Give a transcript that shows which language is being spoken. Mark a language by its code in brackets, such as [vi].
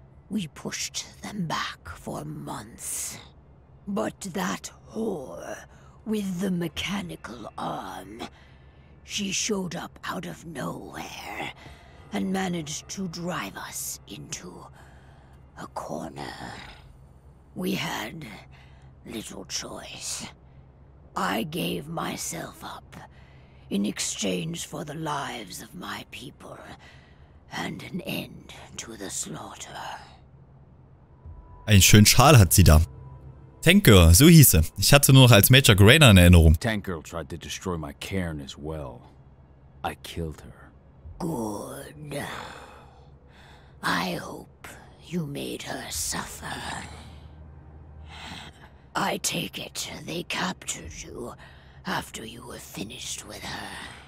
[en] We pushed them back for months. But that whore with the mechanical arm, she showed up out of nowhere and managed to drive us into a corner. We had little choice. I gave myself up in exchange for the lives of my people and an end to the slaughter. [de] Ein schönen Schal hat sie da. Tank Girl, so hieß sie. Ich hatte nur noch als Major Grainer in Erinnerung. [en] Tank Girl tried to destroy my cairn as well. I killed her. Good. I hope you made her suffer. I take it they captured you after you were finished with her.